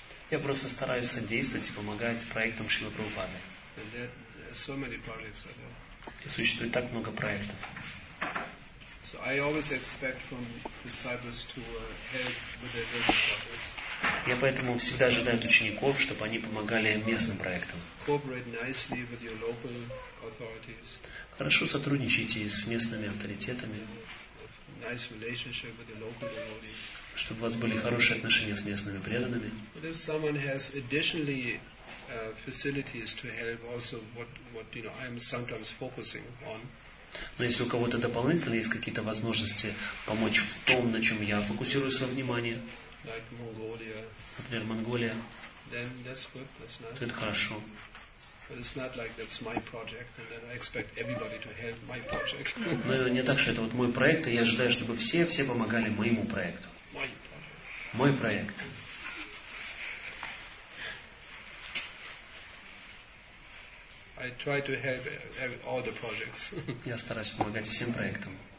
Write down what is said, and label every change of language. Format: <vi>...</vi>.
<ru>Я просто стараюсь содействовать и помогать проектам Шрила Прабхупады. И существует так много проектов.</ru> <en>So I always expect from disciples to help with their local projects.</en> <ru>Я поэтому всегда ожидаю от учеников, чтобы они помогали местным проектам.</ru> <en>Cooperate nicely with your local authorities.</en> <ru>Хорошо сотрудничайте с местными авторитетами.</ru> <en>Nice relationship with the local devotees.</en> <ru>Чтобы у вас были хорошие отношения с местными преданными.</ru> <en>But if someone has additionally facilities to help, also what I am sometimes focusing on.</en> <ru>Но если у кого-то дополнительно есть какие-то возможности помочь в том, на чем я фокусирую свое внимание,</ru> <en>like Mongolia,</en> <ru>например, Монголия,</ru> <en>then that's good, that's nice.</en> <ru>То это хорошо.</ru> <en>But it's not like that's my project, and then I expect everybody to help my project.</en> <ru>Но это не так, что это вот мой проект, и я ожидаю, чтобы все помогали моему проекту. Мой проект.</ru> <en>I try to help all the projects.</en> <ru>Я стараюсь помогать всем проектам.</ru>